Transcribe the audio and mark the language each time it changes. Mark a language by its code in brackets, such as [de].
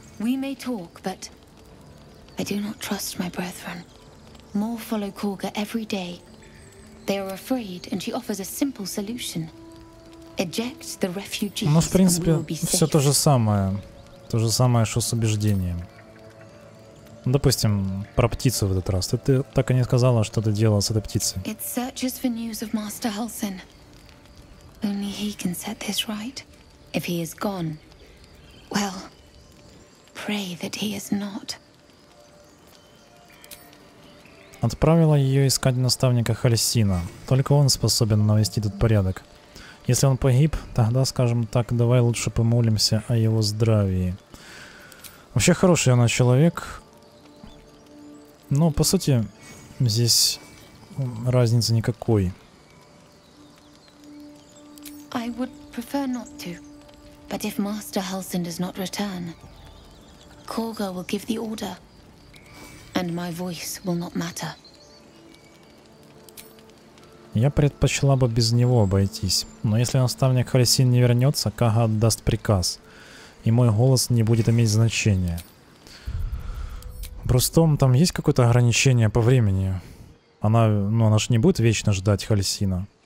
[en] We may talk, but I do not trust my brethren. More follow Korga every day. They are afraid, and she offers a simple solution. Eject the refugees. [ru] Ну, в принципе, все то же самое. То же самое, что с убеждением. Допустим, про птицу в этот раз. Ты так и не сказала, что ты делала с этой птицей. [en] It searches for news of Master Halsin. Only he can set this right. If he is gone, well. Pray that he is not. [ru] Отправила ее искать наставника Хальсина. Только он способен навести тут порядок. Если он погиб, тогда, скажем так, давай лучше помолимся о его здравии. Вообще хороший она человек. Но, по сути, здесь разницы никакой. [en] I would prefer not to. But if Master Halsin does not return... Korga will give the order, and my voice will not matter. [ru] Я предпочла бы без него обойтись, но если наставник Хальсин не вернется, Кага отдаст приказ, и мой голос не будет иметь значения. Просто там есть какое-то ограничение по времени. Она, ну, она же не будет вечно ждать Хальсина.